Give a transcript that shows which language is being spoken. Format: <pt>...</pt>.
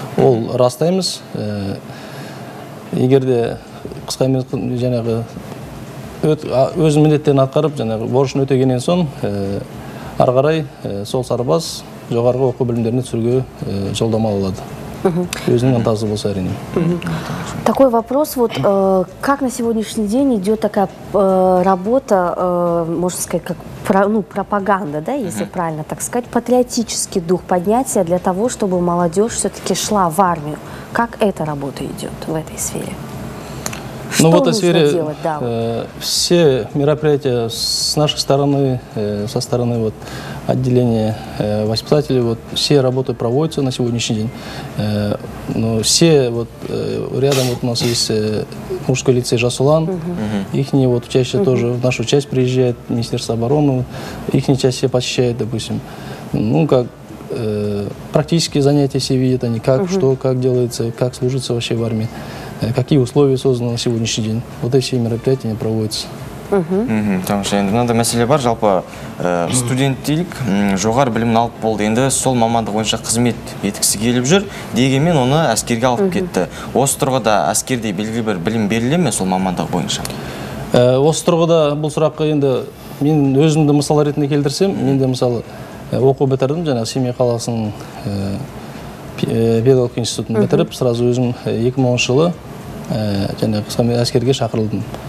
<kk>Ол растаймыз. Егер де қысқа мерзімді жаңағы өз міндеттерін атқарып, жаңағы борышын өтегеннен соң ары қарай сол сарбаз жоғарғы оқу бөлімдеріне түсуге жолдама алады. Өзінің ынтасы болса әрине.</kk> <ru>Такой вопрос, вот как на сегодняшний день идет такая работа, можно сказать, как пропаганда, да, если правильно так сказать, патриотический дух поднятия для того, чтобы молодежь все-таки шла в армию. Как эта работа идет в этой сфере? Ну, что в этой сфере делать, да? Все мероприятия с нашей стороны, со стороны вот, отделения воспитателей, вот, все работы проводятся на сегодняшний день. Но все вот, рядом вот, у нас есть мужской лицей «Жас-Улан», их вот, чаще тоже в нашу часть приезжает, Министерство обороны, их часть все посещает, допустим. Ну, как практические занятия все видят, они как, что, как делается, как служится вообще в армии. Какие условия созданы на сегодняшний день? Вот эти все мероприятия проводятся.</ru> <kk>Потому что енді мынандай мәселе бар, жалпы студенттілік жоғары білімін алып болды, енді сол мамандық бойынша қызмет еткісі келіп жүр, дегенмен оны әскерге алып кетті. Осы тұрғыда әскерде белгілі бір білім беріле ме сол мамандық бойынша? Осы тұрғыда бұл сұраққа енді мен өзімді мысал ретінде келтірсем, мен де мысалы оқу бітірдім, жаңа Семей қаласының педагогика институтын бітіріп, сразу өзім 2010 жылы әскерге шақырылдым.</kk>